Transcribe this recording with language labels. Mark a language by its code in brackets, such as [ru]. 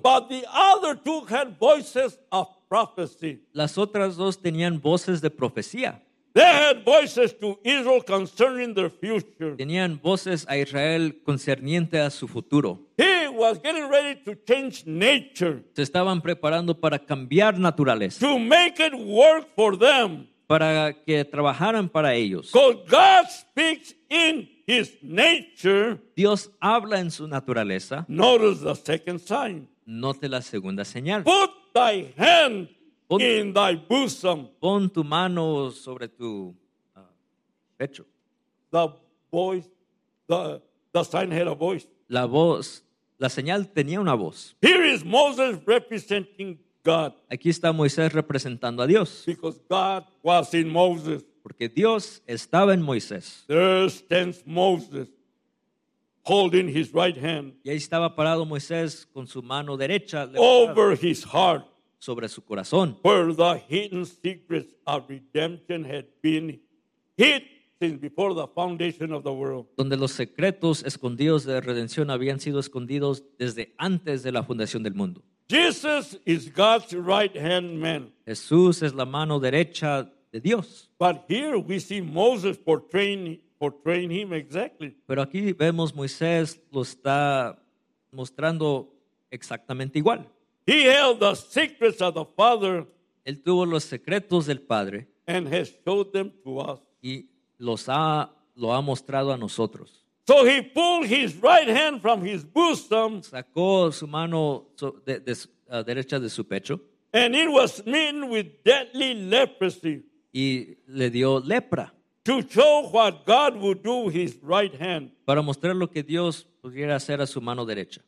[en] But the other two had voices of prophecy. [es] Las otras dos tenían voces de profecía. [en] They had voices to Israel concerning their future. [es] Tenían voces a Israel concerniente a su futuro. [en] He was getting ready to change nature. [es] Se estaban preparando para cambiar naturaleza. [en] To make it work for them. [es] Para que trabajaran para ellos. [en] Because God speaks in his nature. [es] Dios habla en su naturaleza. [en] Notice the second sign. [es] Note la segunda señal. [en] Put thy hand. In thy bosom. [es] Pon tu mano sobre tu pecho. [en] The voice, the sign had a voice. [es] La voz, la señal tenía una voz. [en] Here is Moses representing God. [es] Aquí está Moisés representando a Dios. [en] Because God was in Moses. [es] Porque Dios estaba en Moisés. [en] There stands Moses holding his right hand. [es] Y ahí estaba parado Moisés con su mano derecha. [en] Over his heart. [es] Sobre su corazón. [en] Where the hidden secrets of redemption had been hid since before the foundation of the world. [es] Donde los secretos escondidos de redención habían sido escondidos desde antes de la fundación del mundo. [en] Jesus is God's right hand man. [es] Jesús es la mano derecha de Dios. [en] But here we see Moses portraying him exactly. [es] Pero aquí vemos Moisés lo está mostrando exactamente igual. [en] He held the secrets of the Father. [es] Él tuvo los secretos del Padre. [en] and has showed them to us. [es] Y lo ha mostrado a nosotros. [en] So he pulled his right hand from his bosom. [es] Sacó su mano derecha de su pecho. [en] And it was smitten with deadly leprosy. [es] Y le dio lepra. [en] To show what God would do with his right hand. [es] Para mostrar lo que Dios pudiera hacer a su mano derecha.